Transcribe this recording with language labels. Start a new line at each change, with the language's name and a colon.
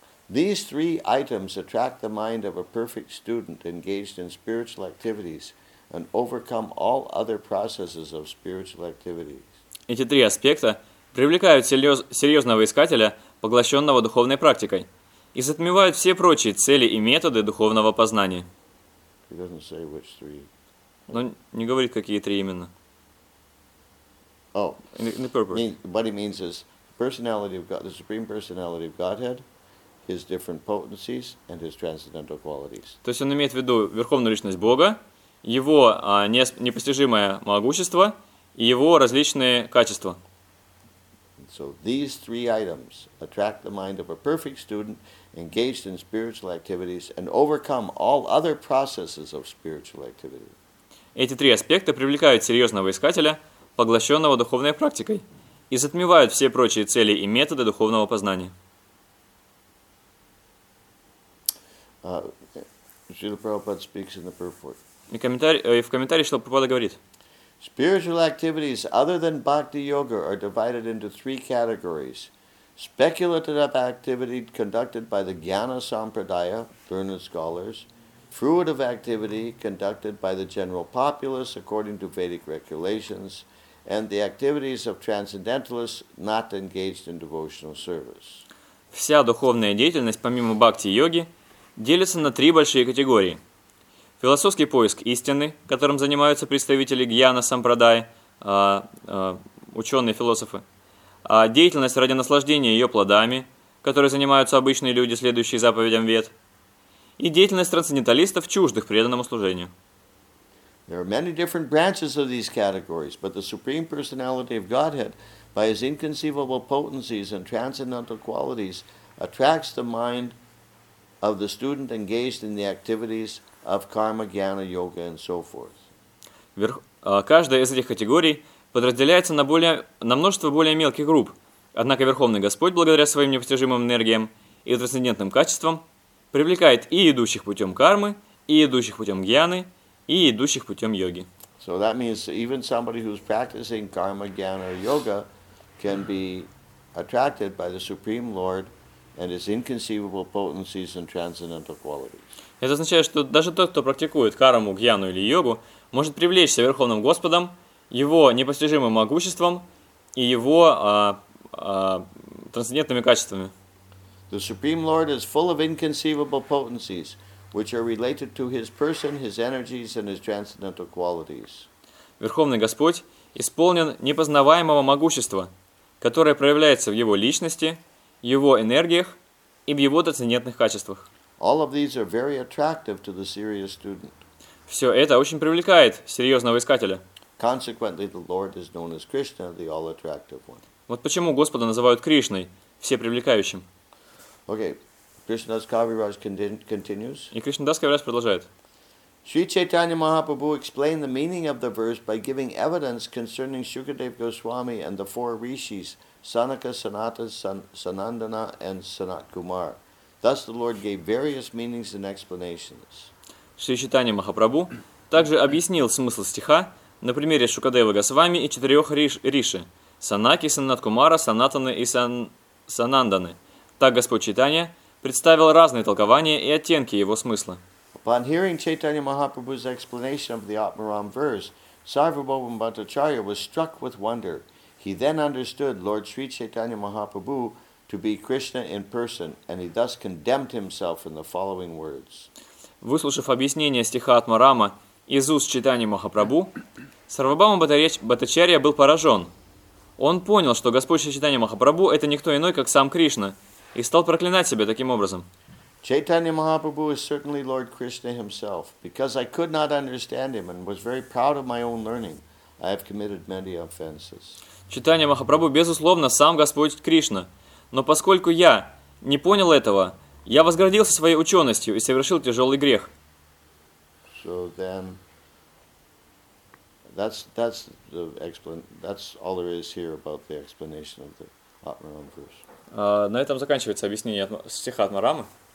English: These three items attract the mind of a perfect student engaged in spiritual activities and overcome all other processes of spiritual activities.
Russian: Эти три аспекта привлекают серьезного искателя, поглощенного духовной практикой, и затмевают все прочие цели и методы духовного познания.
English: He doesn't say which three.
Russian: Но не говорит, какие три именно.
English: Oh, in the purpose. What he means is personality of God, the supreme personality of Godhead, his different potencies and his transcendental qualities.
Russian: То есть он имеет в виду верховную личность Бога, его непостижимое могущество и его различные качества.
English: So these three items attract the mind of a perfect student engaged in spiritual activities and overcome all other processes of spiritual activity.
Russian: Эти три аспекта привлекают серьезного искателя, поглощенного духовной практикой, и затмевают все прочие цели и методы духовного познания.
English: Srila Prabhupada speaks in the purport.
Russian: И в комментарии что Прабхупада говорит?
English: Spiritual activities other than bhakti yoga are divided into three categories. Speculative activity conducted by the Jnana Sampradaya, learned scholars. Fruitive activity conducted by the general populace according to Vedic regulations. And the activities of transcendentalists not engaged in devotional service.
Russian: Вся духовная деятельность, помимо бхакти-йоги, делится на три большие категории. Философский поиск истины, которым занимаются представители Гьяна Сампрадай, ученые-философы. Деятельность ради наслаждения ее плодами, которой занимаются обычные люди, следующие заповедям Вед. И деятельность трансценденталистов, чуждых преданному служению.
English: There are many different branches of these categories, but the Supreme Personality of Godhead, by his inconceivable potencies and transcendental qualities, attracts the mind of the student engaged in the activities of karma, jnana, yoga, and so forth.
Russian: Каждая из этих категорий подразделяется на множество более мелких групп. Однако Верховный Господь, благодаря своим непостижимым энергиям и трансцендентным качествам, привлекает и идущих путем кармы, и идущих путем гьяны, и идущих путем йоги.
English: So that means even somebody who's practicing karma, jnana, yoga can be attracted by the Supreme Lord and his inconceivable potencies and transcendental qualities.
Russian: Это означает, что даже тот, кто практикует карму, гьяну или йогу, может привлечься Верховным Господом, его непостижимым могуществом и его трансцендентными качествами.
English: The Supreme Lord is full of inconceivable potencies, which are related to his person, his energies, and his transcendental qualities.
Russian: Верховный Господь исполнен непознаваемого могущества, которое проявляется в его личности, его энергиях и в его трансцендентных качествах.
English: All of these are very attractive to the serious student.
Russian: Все это очень привлекает серьезного искателя.
English: Consequently, the Lord is known as Krishna, the all-attractive one.
Russian: Вот почему Господа называют Кришной, всепривлекающим.
English: Okay. Krishnadas Kaviraj continues.
Russian: И Кришнадас Кавираж продолжает.
English: Sri Chaitanya Mahaprabhu explained the meaning of the verse by giving evidence concerning Shukadeva Goswami and the four rishis, Sanaka, Sanata, Sanandana, and Sanat Kumar. Thus the Lord gave various meanings and explanations.
Russian: Sri Chaitanya Mahaprabhu также объяснил смысл стиха на примере Шукадева Госвами и четырех риши, Санаки, Санат Кумара, Санатаны и Сананданы. Так Господь Чайтанья представил разные толкования и оттенки его смысла.
English: Upon hearing Chaitanya Mahaprabhu's explanation of the Atmaram verse, Sarvabhauman Bhattacharya was struck with wonder. He then understood Lord Sri Chaitanya Mahaprabhu to be Krishna in person, and he thus condemned himself in the following words.
Russian: Выслушав объяснение стиха Атмарама из уст Чайтанья Махапрабху, Сарвабхаума Бхаттачарья был поражен. Он понял, что Господь Шри Чайтанья Махапрабху – это никто иной, как сам Кришна, и стал проклинать себя таким образом.
English: Чайтанья Махапрабху is certainly Lord Krishna himself. Because I could not understand him and was very proud of my own learning, I have committed many offenses.
Russian: Чайтанья Махапрабху, безусловно, сам Господь Кришна. Но поскольку я не понял этого, я возгордился своей ученостью и совершил тяжелый грех.
English: So then, that's all there is here about the explanation of the Atmaram verse.
Russian: На этом заканчивается объяснение стиха Атмарамы.